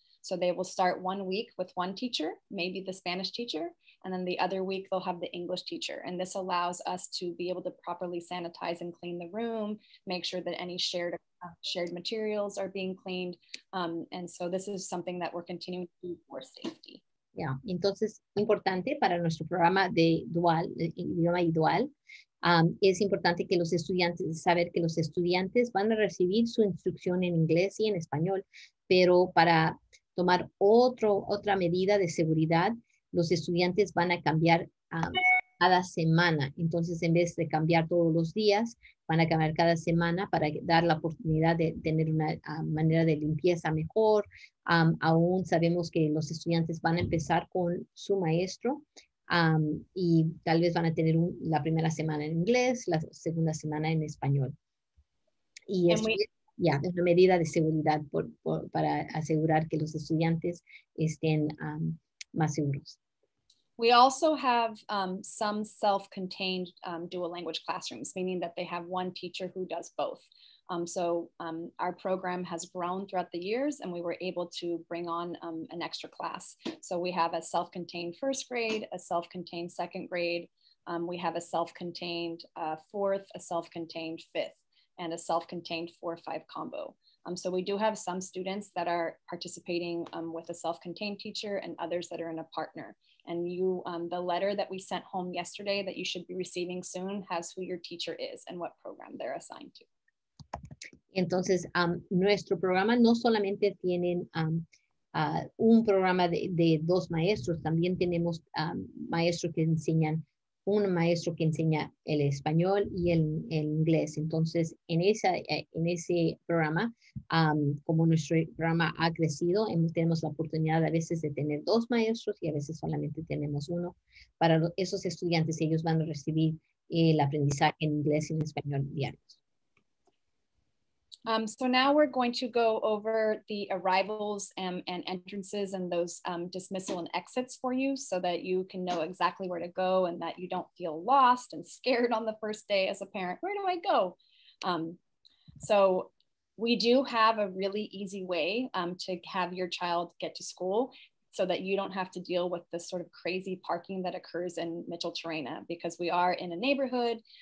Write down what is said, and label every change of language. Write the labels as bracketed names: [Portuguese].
[English] So they will start 1 week with one teacher, maybe the Spanish teacher, and then the other week they'll have the English teacher. And this allows us to be able to properly sanitize and clean the room, make sure that any shared materials are being cleaned. And so this is something that we're continuing to do for safety. [Spanish] Yeah, entonces, importante para nuestro programa de dual, idioma y dual, es importante que los estudiantes, saber que los estudiantes van a recibir su instrucción en inglés y en español, pero para tomar otra medida de seguridad, los estudiantes van a cambiar cada semana. Entonces, en vez de cambiar todos los días, van a cambiar cada semana para dar la oportunidad de tener una manera de limpieza mejor. Aún sabemos que los estudiantes van a empezar con su maestro y tal vez van a tener la primera semana en inglés, la segunda semana en español. Y eso es una medida de seguridad para asegurar que los estudiantes estén más seguros. [English] We also have some self-contained dual language classrooms, meaning that they have one teacher who does both. So our program has grown throughout the years, and we were able to bring on an extra class. So we have a self-contained first grade, a self-contained second grade. We have a self-contained fourth, a self-contained fifth, and a self-contained 4-5 combo. So we do have some students that are participating with a self-contained teacher and others that are in a partner. And you, the letter that we sent home yesterday that you should be receiving soon has who your teacher is and what program they're assigned to. [Spanish] Entonces, nuestro programa no solamente tienen un programa de dos maestros, también tenemos maestros que enseñan un maestro que enseña el español y el inglés. Entonces, en ese programa, como nuestro programa ha crecido, tenemos la oportunidad a veces de tener dos maestros y a veces solamente tenemos uno. Para esos estudiantes, ellos van a recibir el aprendizaje en inglés y en español diarios. [English] So now we're going to go over the arrivals and entrances and those dismissal and exits for you so that you can know exactly where to go and that you don't feel lost and scared on the first day as a parent. Where do I go? So we do have a really easy way to have your child get to school so that you don't have to deal with the sort of crazy parking that occurs in Micheltorena, because we are in a neighborhood.